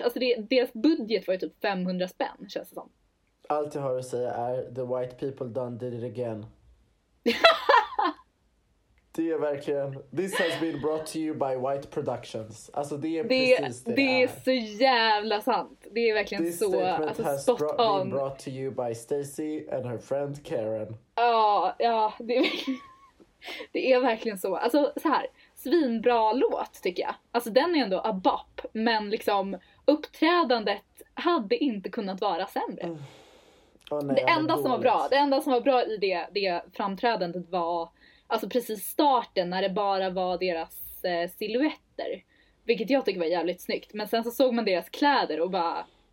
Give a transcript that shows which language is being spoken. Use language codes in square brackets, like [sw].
[sv] Alltså deras budget var ju typ 500 spänn, känns det som. Allt jag har att säga är [en] the white people done did it again. [sv] Det är verkligen, [en] this has been brought to you by White Productions. [sv] Alltså det är precis det är. Det är så jävla sant. Det är verkligen [en] this [sv] så, alltså [en] spot on. This statement has been brought to you by Stacey and her friend Karen. [sv] Ja, ja, det är verkligen så. Alltså så här, svinbra låt tycker jag. Alltså den är ändå [en] a bop, [sv] men liksom uppträdandet hade inte kunnat vara sämre. Det enda som var bra i det framträdandet var, alltså precis starten när det bara var deras silhuetter, vilket jag tycker var jävligt snyggt, men sen så såg man deras kläder och bara